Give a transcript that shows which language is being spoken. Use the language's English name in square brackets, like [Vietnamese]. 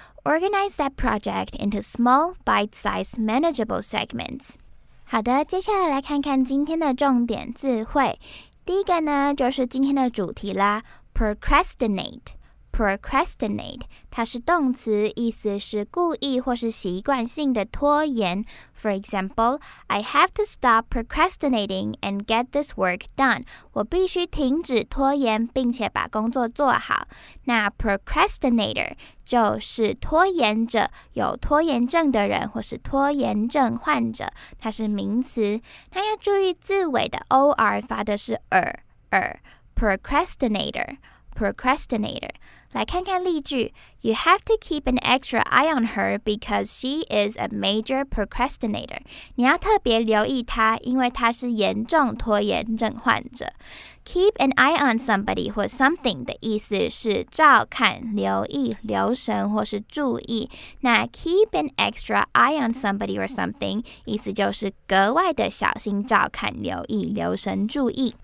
[English] Organize that project into small, bite-sized, manageable segments. [Chinese] 好的，接下来来看看今天的重点字汇。第一个呢，就是今天的主题啦 ，procrastinate。 Procrastinate， 它是动词，意思是故意或是习惯性的拖延。 [English] For example, I have to stop procrastinating and get this work done. [Chinese] 我必须停止拖延，并且把工作做好。那 procrastinator 就是拖延者，有拖延症的人或是拖延症患者，它是名词。那要注意字尾的 or 发的是 procrastinator。Procrastinator. 来看看例句 [English] You have to keep an extra eye on her because she is a major procrastinator. [Chinese] 你要特别留意她，因为她是严重拖延症患者。 [English] Keep an eye on somebody or something [Chinese] 的意思是照看、留意、留神或是注意。那 [English] keep an extra eye on somebody or something [Chinese] 意思就是格外的小心照看、留意、留神注意。